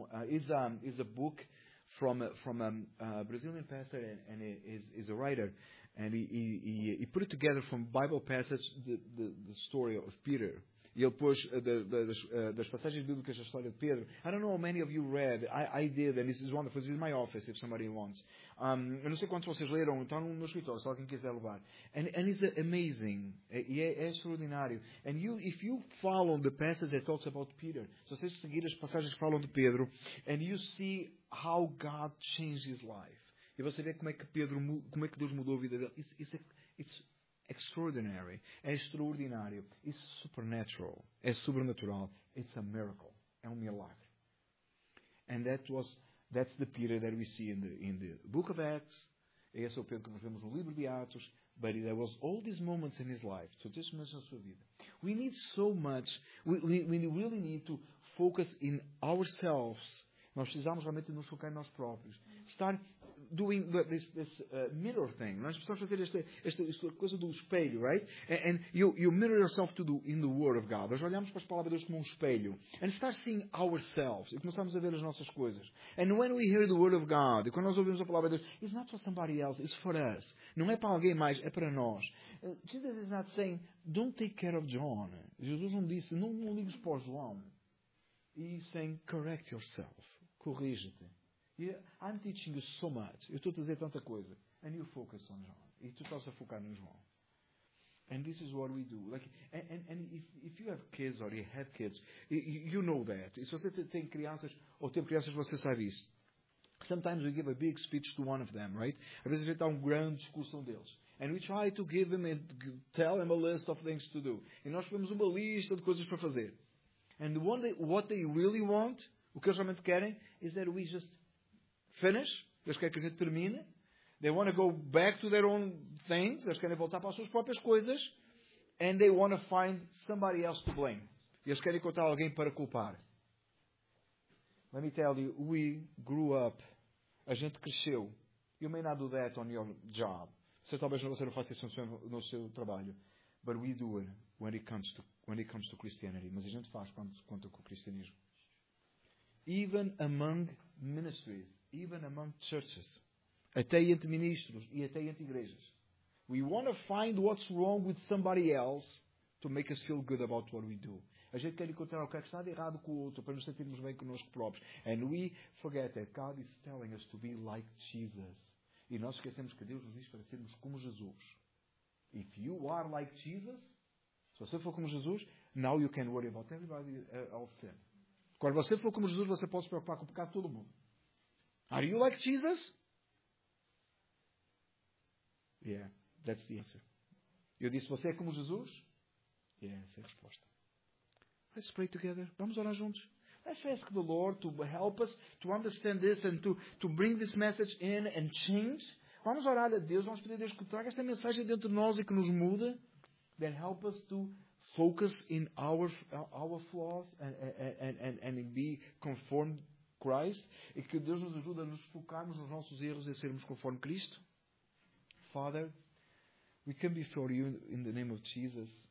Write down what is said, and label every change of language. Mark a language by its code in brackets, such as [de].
[en] It's a book from a Brazilian pastor and is a writer, and he put it together from Bible passage the story of Peter. [pt] E ele pôs das passagens bíblicas da história de Pedro. [en] I don't know how many of you read. I did, and this is wonderful. This is in my office, if somebody wants. [pt] Eu não sei quantos vocês leram. Está no meu escritório, se alguém quiser levar. [en] And it's amazing. [pt] É extraordinário. [en] And you, if you follow the passage that talks about Peter, [pt] se vocês seguirem as passagens que falam de Pedro, [en] and you see how God changed his life. [pt] E você vê como é que Deus mudou a vida dele. [en] It's extraordinary. [pt] É extraordinário. [en] It's supernatural. [pt] É sobrenatural. [en] It's a miracle. [pt] É um milagre. [en] And that's the Peter that we see in the book of Acts. [pt] Esse é o Pedro que nós vemos no livro de Atos. [en] But there was all these moments in his life. So this is a [pt] sua vida. [en] We need so much. We really need to focus in ourselves. [pt] Nós precisamos realmente nos focar em nós próprios. Estar [en] doing this mirror thing. [pt] Nós precisamos fazer esta coisa do espelho, right? [en] And you mirror yourself to do in the Word of God. [pt] Nós olhamos para as palavras de Deus como um espelho. [en] And start seeing ourselves. [pt] E começamos a ver as nossas coisas. [en] And when we hear the Word of God, [pt] e quando nós ouvimos a palavra de Deus, [en] it's not for somebody else, it's for us. [pt] Não é para alguém mais, é para nós. [en] Jesus is not saying, don't take care of John. [pt] Jesus não disse, não ligues para João. [en] He's saying, correct yourself. [pt] Corrige-te. [en] I'm teaching you so much. [pt] Eu estou a dizer tanta coisa. [en] And you focus on John. [pt] E tu estás a focar no João. [en] And this is what we do. Like, and if you have kids or you have kids, you know that. [pt] E se você tem crianças, ou tem crianças, você sabe isso. [en] Sometimes we give a big speech to one of them, right? [pt] Às vezes a gente dá um grande discurso a um deles. [en] And we try to give them and tell them a list of things to do. [pt] E nós temos uma lista de coisas para fazer. [en] And what they really want, [pt] o que eles realmente querem, [en] is that we just finish. [pt] Eles querem que a gente termine. [en] They want to go back to their own things. [pt] Eles querem voltar para as suas próprias coisas. [en] And they want to find somebody else to blame. [pt] E eles querem encontrar alguém para culpar. [en] Let me tell you, we grew up. [pt] A gente cresceu. [en] You may not do that on your job. [pt] Você não faça isso no seu trabalho. [en] But we do it when it comes to Christianity. [pt] Mas a gente faz quando conta com o cristianismo. [en] Even among ministries, even among churches, [pt] até entre ministros e até entre igrejas. [en] We want to find what's wrong with somebody else to make us feel good about what we do. [pt] A gente quer encontrar o que é que está de errado com o outro para nos sentirmos bem connosco próprios. [en] And we forget that God is telling us to be like Jesus. [pt] E nós esquecemos que Deus nos diz para sermos como Jesus. [en] If you are like Jesus, [pt] se você for como Jesus, [en] now you can worry about everybody else. [pt] Quando você for como Jesus, você pode se preocupar com o pecado de todo mundo. [en] Are you like Jesus? Yeah, that's the answer. [pt] Eu disse, você é como Jesus? Yeah, essa é a resposta. [en] Let's pray together. [pt] Vamos orar juntos. [en] Let's ask the Lord to help us to understand this and to bring this message in and change. [pt] Vamos orar a Deus. Vamos pedir a Deus que traga esta mensagem dentro de nós e que nos mude. [en] That help us to focus in our flaws and be conformed Christ. [pt] E que Deus nos ajude a nos focarmos nos nossos erros e a sermos conforme Cristo. [en] Father, we come before you in the name of Jesus.